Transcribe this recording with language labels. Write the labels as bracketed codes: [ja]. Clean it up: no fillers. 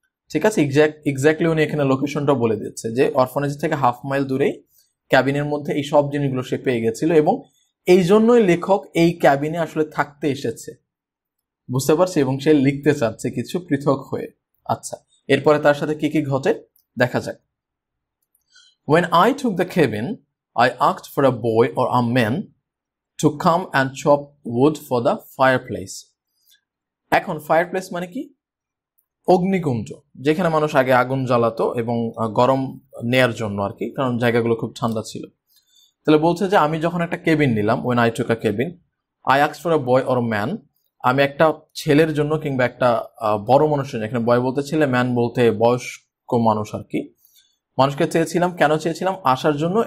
[bn] ঠিক আছে, এক্স্যাক্টলি উনি এখানে লোকেশনটা বলে দিচ্ছে যে অরফানেজ থেকে হাফ মাইল দূরেই ক্যাবিনের মধ্যে এই সব জিনিসগুলো সে পেয়ে গেছিল, এবং এই জন্যই লেখক এই ক্যাবিনে আসলে থাকতে এসেছে, বুঝতে পারছি, এবং সে লিখতে চাচ্ছে কিছু পৃথক হয়ে। আচ্ছা, এরপরে তার সাথে কি কি ঘটে দেখা যাক। [en] When I took the cabin, I asked for a boy or a man to come and chop wood for the fireplace. [bn] এখন ফায়ারপ্লেস মানে কি, অগ্নিকুণ্ড, যেখানে মানুষ আগে আগুন জ্বালাতো এবং গরম নেয়ার জন্য আর কি, কারণ জায়গাগুলো খুব ঠান্ডা ছিল। তাহলে বলছে যে আমি যখন একটা কেবিন নিলাম, [en] when I took a cabin, I ask for a boy or man, [bn] আমি একটা ছেলের জন্য কিংবা একটা বড় মানুষের জন্য, এখানে বয় বলতে ছেলে, ম্যান বলতে বয়স্ক মানুষ আর কি, মানুষকে চেয়েছিলাম, কেন চেয়েছিলাম, আসার জন্য।